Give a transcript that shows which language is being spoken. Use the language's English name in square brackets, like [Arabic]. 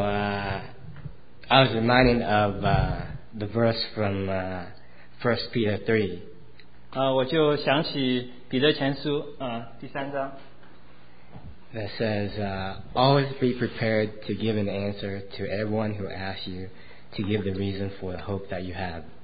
[English] I was reminded of the verse from 1 Peter 3. [Chinese] 我就想起彼得前书第三章 [English] that says always be prepared to give an answer to everyone who asks you to give the reason for the hope that you have.